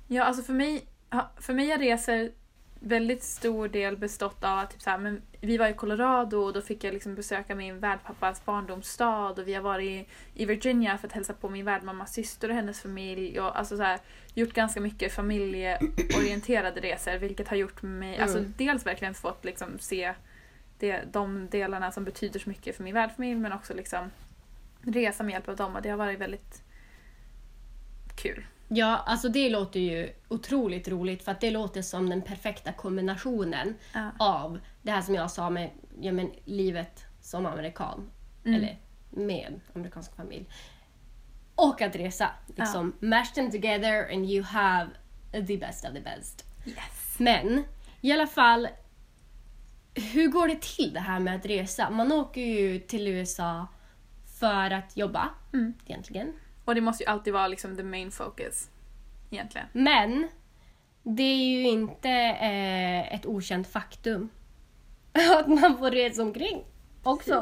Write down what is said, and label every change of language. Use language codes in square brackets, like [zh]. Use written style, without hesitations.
[sv] Ja, alltså för mig jag reser väldigt stor del bestått av att typ så här, men vi var i Colorado och då fick jag liksom besöka min värdpappas barndomsstad, och vi har varit i Virginia för att hälsa på min värdmammas syster och hennes familj, och alltså så här, gjort ganska mycket familjeorienterade resor, vilket har gjort mig alltså dels verkligen fått liksom se de delarna som betyder så mycket för min värdfamilj, men också liksom resa med hjälp av dem, och det har varit väldigt kul. Ja, alltså det låter ju otroligt roligt, för att det låter som den perfekta kombinationen av det här som jag sa med livet som amerikan, eller med amerikansk familj, och att resa. Liksom, [en] mash them together and you have the best of the best. Yes. [sv] Men, i alla fall, hur går det till det här med att resa? Man åker ju till USA för att jobba, egentligen. Och det måste ju alltid vara liksom [en] the main focus, [sv] egentligen. Men, det är ju inte ett okänt faktum att man får resa omkring också.